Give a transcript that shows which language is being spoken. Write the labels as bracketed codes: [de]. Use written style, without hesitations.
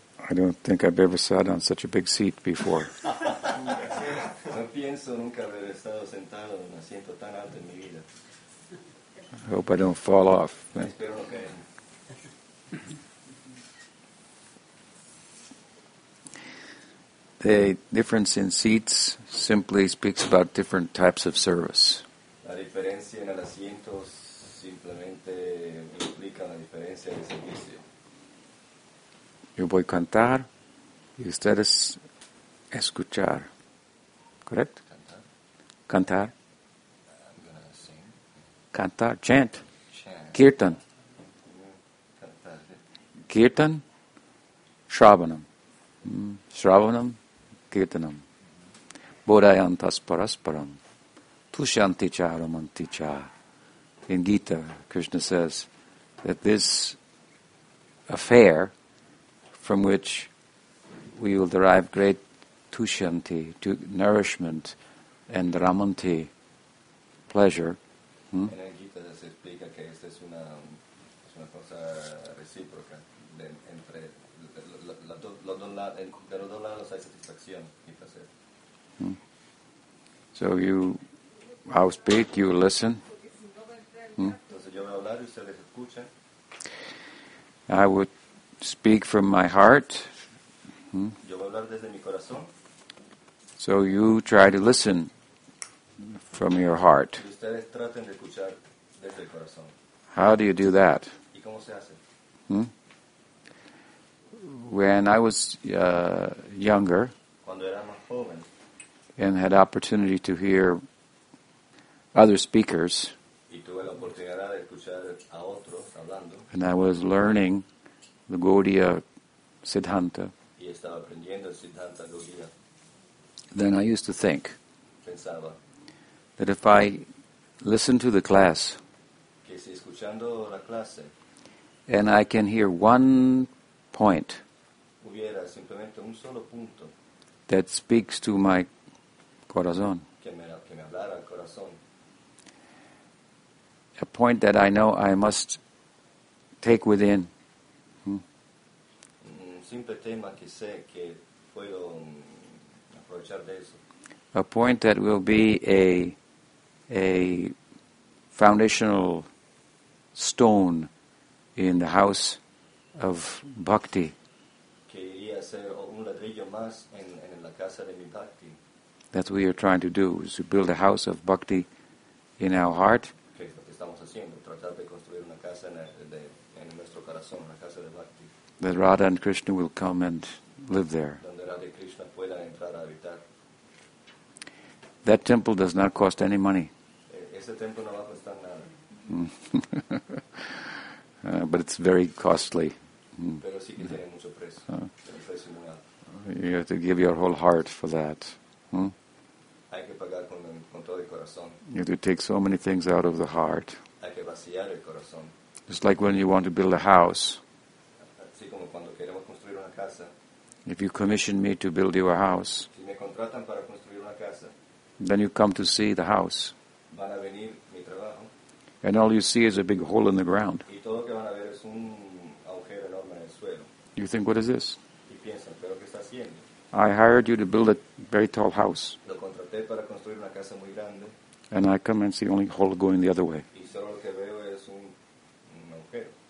[en] I don't think I've ever sat on such a big seat before. I hope I don't fall off. The difference in seats simply speaks about different types of service. [es] La diferencia en el asiento simplemente implica la diferencia de servicio. Yo voy a cantar y ustedes escuchar. [en] Correct? [es] Cantar. [en] I'm gonna sing. [es] Cantar. Chant. Kirtan. [sa] Kirtan. Shravanam. Shravanam. Kirtanam. Bodhayantas parasparam. Tushyanticha aramanticha. [en] In Gita, Krishna says that this affair from which we will derive great tushyanti, nourishment, and ramanti, pleasure. [es] In Gita, se explica que esta es una cosa recíproca entre los dos lados hay satisfacción y placer. [en] So you, I'll speak, you listen. [es] Entonces yo voy a hablar y ustedes escuchan. [en] I would speak from my heart. [es] Yo voy a hablar desde mi corazón. [en] So you try to listen from your heart. [es] Y ustedes traten de escuchar desde el corazón. [en] How do you do that? [es] ¿Y cómo se hace? [en] When I was younger, [es] cuando era más joven, [en] and had opportunity to hear other speakers, [es] y tuve la oportunidad de escuchar a otros hablando, [en] and I was learning the Gaudiya Siddhanta, [es] y estaba aprendiendo el Siddhanta Gaudiya. [en] Then I used to think, [es] pensaba, [en] that if I listen to the class, [es] que si escuchando la clase, [en] and I can hear one point [es] hubiera simplemente un solo punto, [en] that speaks to my corazón, [es] que me hablara al corazón, [en] a point that I know I must take within. [es] Simple tema que sé que puedo aprovechar de eso. [en] A point that will be a foundational stone in the house of bhakti. [es] Que iría a ser un ladrillo más en la casa de mi bhakti. [en] That's what we are trying to do, is to build a house of bhakti in our heart. [es] Que es lo que estamos haciendo, tratar de construir una casa en nuestro corazón, una casa de bhakti. [en] That Radha and Krishna will come and live there. [es] Donde Radha y Krishna puedan entrar a habitar. [en] That temple does not cost any money. [es] Ese templo no va a costar nada. [en] But it's very costly. [es] Pero sí que tiene mucho precio. Tiene precio muy alto. [en] You have to give your whole heart for that. [es] Hay que pagar con todo el corazón. [en] You have to take so many things out of the heart. [es] Hay que vaciar el corazón. [en] It's like when you want to build a house. [es] Así como cuando queremos construir una casa. [en] If you commission me to build you a house, [es] si me contratan para construir una [en] Then you come to see the house. [es] Van a venir mi trabajo. [en] And all you see is a big hole in the ground. [es] Y todo que van a ver es un agujero enorme en el suelo. [en] You think, what is this? [es] Y piensan, ¿pero qué está haciendo? [en] I hired you to build a very tall house. [es] Lo contraté para construir una casa muy grande. [en] And I come and see only hole going the other way. [es] Y solo lo que veo es un agujero.